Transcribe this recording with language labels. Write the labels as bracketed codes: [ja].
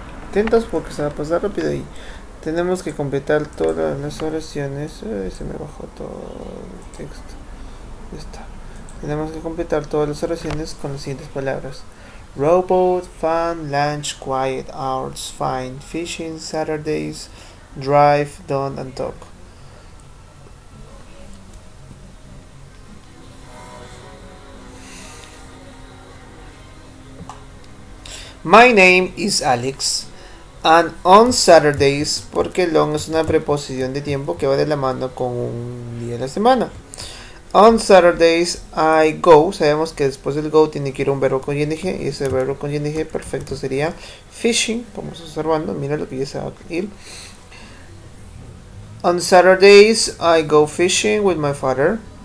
[es] Atentos porque se va a pasar rápido y tenemos que completar todas las oraciones. Se me bajó todo el texto. Ya está. Tenemos que completar todas las oraciones con las siguientes palabras. [en] Robot, fun, lunch, quiet, hours, fine, fishing, Saturdays, drive, don't and talk. My name is Alex. And on Saturdays, [es] porque long es una preposición de tiempo que va de la mano con un día de la semana. [en] On Saturdays I go. [es] Sabemos que después del go tiene que ir un verbo con ing. Y ese verbo con ing perfecto sería fishing. Vamos observando. Mira lo que dice él. [en] On Saturdays I go fishing with my father.